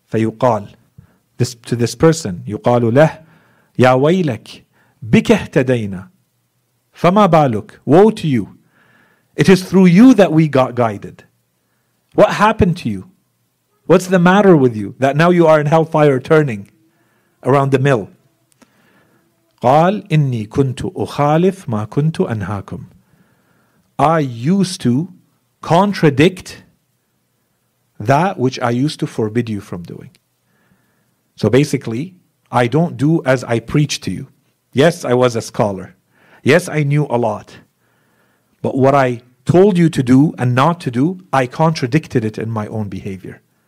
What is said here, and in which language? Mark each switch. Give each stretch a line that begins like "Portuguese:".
Arabic: فَيُقَالُ,
English: this, to this person,
Arabic: يُقَالُ لَهُ يَا وَيْلَكَ بِكَ اهْتَدَيْنَا فَمَا بَالُكَ.
English: Woe to you. It is through you that we got guided. What happened to you? What's the matter with you that now you are in hellfire turning around the mill?
Arabic: قال إني كنت أخالف ما كنت أنهاكم.
English: I used to contradict that which I used to forbid you from doing. So basically, I don't do as I preach to you. Yes, I was a scholar. Yes, I knew a lot. But what I told you to do and not to do, I contradicted it in my own behavior.